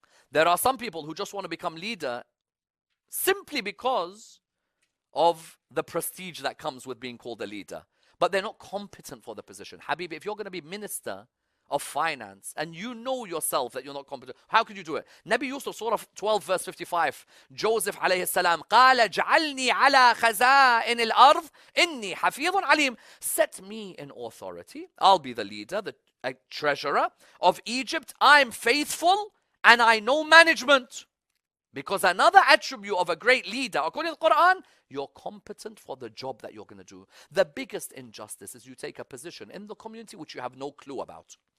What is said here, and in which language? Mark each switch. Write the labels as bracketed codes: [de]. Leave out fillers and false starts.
[en] There are some people who just want to become leader simply because of the prestige that comes with being called a leader. But they're not competent for the position. Habibi, if you're going to be minister of finance and you know yourself that you're not competent, how could you do it? Nabi Yusuf, Surah 12, verse 55, Joseph alayhi salam, [ar] قَالَ جَعَلْنِي عَلَىٰ خَزَائِنِ الْأَرْضِ إِنِّي حَفِيظٌ عَلِيمٌ. [en] Set me in authority. I'll be the leader, the treasurer of Egypt. I'm faithful and I know management. Because another attribute of a great leader, according to the Quran, you're competent for the job that you're going to do. The biggest injustice is you take a position in the community which you have no clue about.